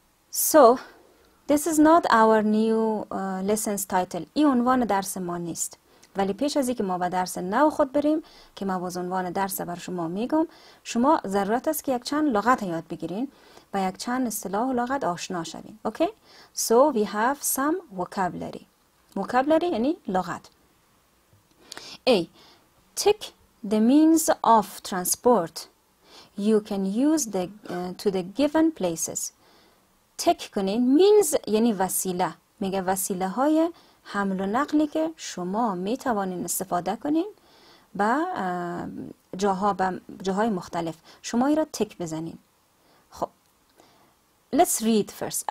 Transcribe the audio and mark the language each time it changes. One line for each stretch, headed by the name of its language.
English: So, this is not our new lessons title.
Persian: این عنوان درس ما نیست. ولی پیش از اینکه ما به درس نو خود بریم که ما باز عنوان درس بر شما میگم، شما ضرورت است که یک چند لغت یاد بگیرین و یک چند اصطلاح و لغت آشنا شوین.
English: Okay? So we have some vocabulary. Vocabulary
Persian: یعنی لغت.
English: A. Take the means of transport you can use the to the given places.
Persian: تک کنین means یعنی وسیله، میگه وسیله های حمل و نقلی که شما میتوانین استفاده کنین با جاها با جاهای مختلف شما ای را تک بزنین.
English: خب let's read first.